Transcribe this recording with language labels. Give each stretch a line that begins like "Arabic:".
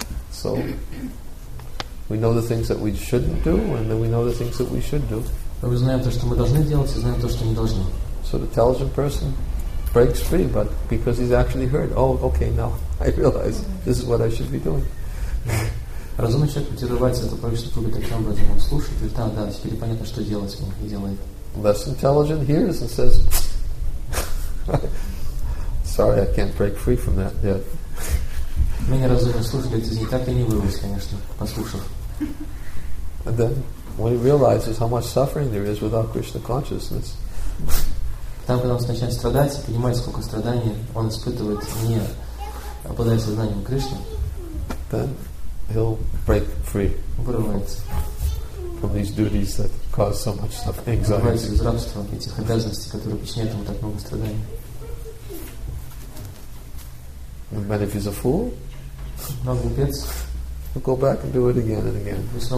English: So we know the things that we shouldn't do and then we know the things that we should do. So the intelligent person breaks free, but because he's actually heard, oh okay, now I realize this is what I should be doing.
Russian: Разумный человек потерывается от оповещения круга таким образом. Он слушает, говорит, да, теперь понятно, что делать, он делает.
English: Less intelligent hears and says, sorry, I can't break free from that yet.
Russian: Менее разумно слушать, это не так и не вырвусь, конечно, послушав.
English: And then, when he realizes how much suffering there is without Krishna consciousness.
Russian: Там, когда он начинает страдать, и понимает, сколько страданий он испытывает, не обладая сознанием Кришны.
English: Then, he'll break free.
Russian: Вырывается.
English: From these duties that cause so much suffering.
Russian: Вырывается из рабства, этих обязанностей, которые причиняют ему так много страданий.
English: But if he's a fool, he'll go back and do it again and again.